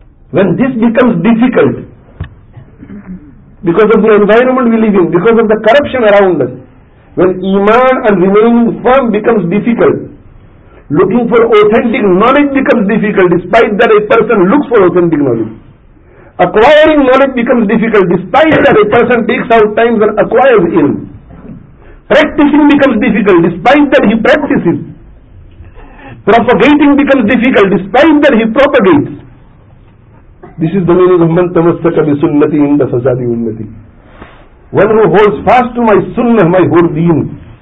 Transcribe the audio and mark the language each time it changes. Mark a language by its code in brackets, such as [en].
[en] When this becomes difficult, because of the environment we live in, because of the corruption around us, when Iman and remaining firm becomes difficult, looking for authentic knowledge becomes difficult, despite that a person looks for authentic knowledge. Acquiring knowledge becomes difficult, despite that a person takes out time and acquires ilm. Practicing becomes difficult, despite that he practices. Propagating becomes difficult, despite that he propagates. This is the meaning of [ar] مَنْ تَمَسَّكَ بِسُنَّةِ عِنْدَ فَسَادِ أُمَّتِ. [en] One who holds fast to my sunnah, my whole deen.